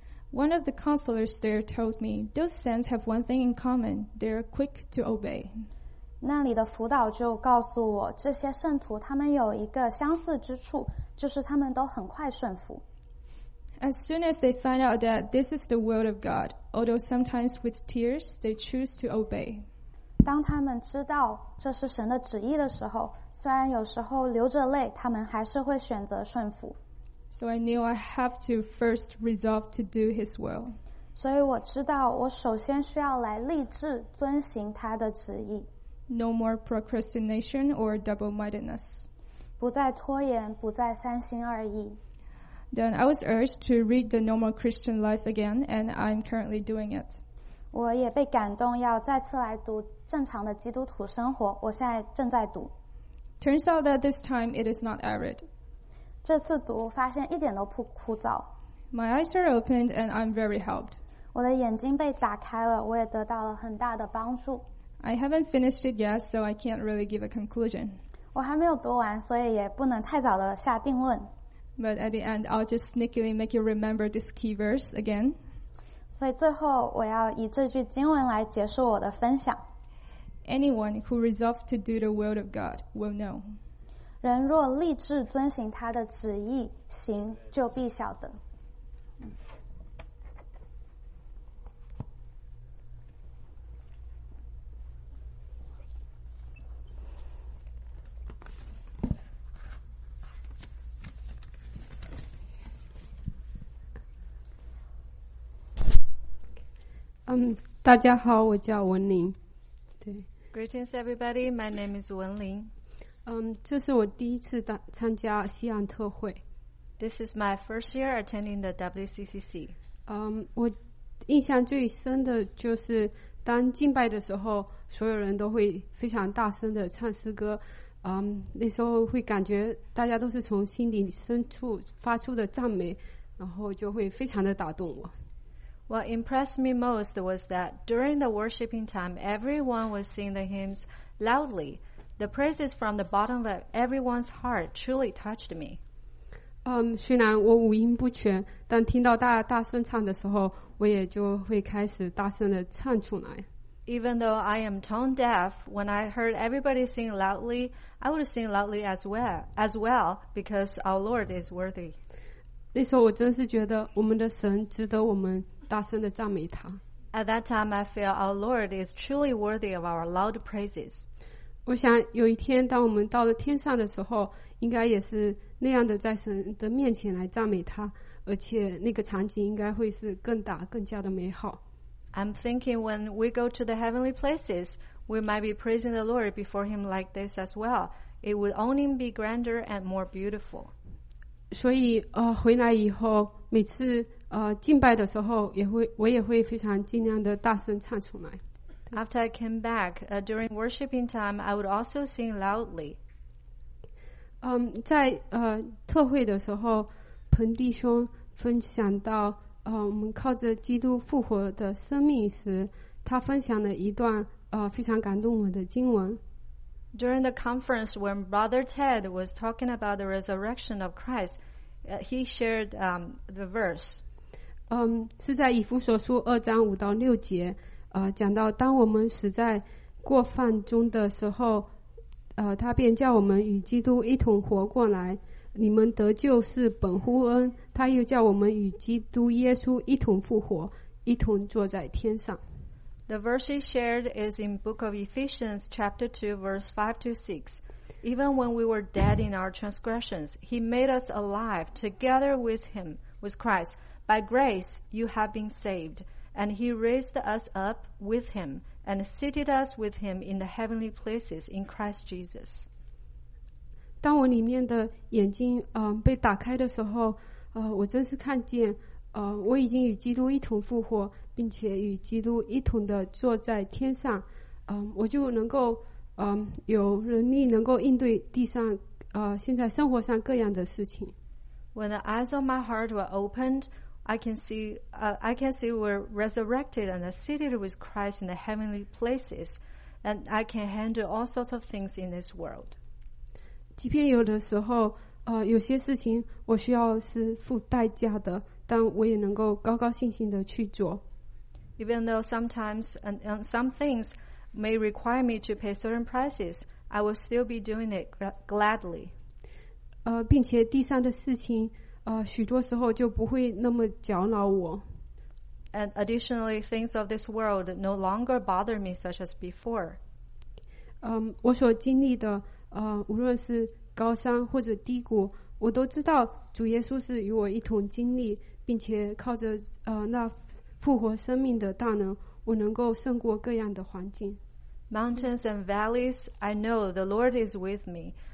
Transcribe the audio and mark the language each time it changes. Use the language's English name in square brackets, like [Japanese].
[English] One of the counselors there told me, those saints have one thing in common, they are quick to obey. [Chinese] 那里的辅导就告诉我，这些圣徒他们有一个相似之处，就是他们都很快顺服。 [English] As soon as they find out that this is the will of God, although sometimes with tears, they choose to obey. [Chinese] 当他们知道这是神的旨意的时候，虽然有时候流着泪，他们还是会选择顺服。 [English] So I knew I have to first resolve to do His will. [Chinese] 所以我知道，我首先需要来立志遵行他的旨意。 [English] No more procrastination or double-mindedness. [Chinese] 不再拖延，不再三心二意。 [English] Then I was urged to read the normal Christian life again, and I'm currently doing it. [Chinese] 我也被感动要再次来读正常的基督徒生活，我现在正在读。 [English] Turns out that this time it is not arid. [Chinese] 这次读发现一点都不枯燥。 [English] My eyes are opened and I'm very helped. [Chinese] 我的眼睛被打开了，我也得到了很大的帮助。 [English] I haven't finished it yet, so I can't really give a conclusion. [Chinese] 我还没有读完，所以也不能太早的下定论。 [English] But at the end, I'll just sneakily make you remember this key verse again. [Chinese] 所以最后我要以这句经文来结束我的分享。 [English] Anyone who resolves to do the will of God will know. [Chinese] 人若立志遵行他的旨意，行就必晓得。大家好，我叫文林。对。 [English] Greetings, everybody. My name is Wen Ling. [Chinese] 这是我第一次参加西安特会。 [English] This is my first year attending the WCCC. [Chinese] 我印象最深的就是当敬拜的时候，所有人都会非常大声的唱诗歌。那时候会感觉大家都是从心里深处发出的赞美，然后就会非常的打动我。 [English] What impressed me most was that during the worshiping time, everyone was singing the hymns loudly. The praises from the bottom of everyone's heart truly touched me. [Chinese] 虽然我五音不全，但听到大家大声唱的时候，我也就会开始大声的唱出来。 [English] Even though I am tone deaf, when I heard everybody sing loudly, I would sing loudly as well, because our Lord is worthy. [Chinese] 那时候我真是觉得我们的神值得我们大声地赞美他。 [English] At that time, I feel our Lord is truly worthy of our loud praises. [Chinese] 我想有一天，当我们到了天上的时候，应该也是那样的，在神的面前来赞美他，而且那个场景应该会是更大、更加的美好。 [English] I'm thinking when we go to the heavenly places, we might be praising the Lord before Him like this as well. It would only be grander and more beautiful. [Chinese] 所以，回来以后每次。敬拜的时候我也会非常尽量的大声唱出来。 [English] After I came back, during worshiping time, I would also sing loudly. [Chinese] 在特会的时候，彭弟兄分享到我们靠着基督复活的生命时，他分享了一段非常感动我的经文。 [English] During the conference when Brother Ted was talking about the resurrection of Christ, he shared the verse. [Chinese] 是在以弗所书2章5到6节，讲到当我们死在过犯中的时候，他便叫我们与基督一同活过来。你们得救是本乎恩，他又叫我们与基督耶稣一同复活，一同坐在天上。 [English] The verse he shared is in Book of Ephesians, chapter 2, verse 5 to 6. Even when we were dead in our transgressions, he made us alive together with him, with Christ. By grace, you have been saved. And he raised us up with him and seated us with him in the heavenly places in Christ Jesus. [Chinese] 当我里面的眼睛被打开的时候，我真是看见我已经与基督一同复活，并且与基督一同的坐在天上，我就能够有能力能够应对地上现在生活上各样的事情。 [English] When the eyes of my heart were opened, I can see we're resurrected and seated with Christ in the heavenly places, and I can handle all sorts of things in this world. [Chinese] 即便有的时候有些事情我需要是付代价的，但我也能够高高兴兴的去做。 [English] Even though sometimes and some things may require me to pay certain prices, I will still be doing it gladly. [Chinese] 并且地上的事情许多时候就不会那么搅扰我。 [English] And additionally, things of this world no longer bother me such as before. [Chinese] 我所经历的无论是高山或者低谷，我都知道主耶稣是与我一同经历，并且靠着那复活生命的大能，我能够胜过各样的环境。 [English] Mountains and valleys, I know the Lord is with me.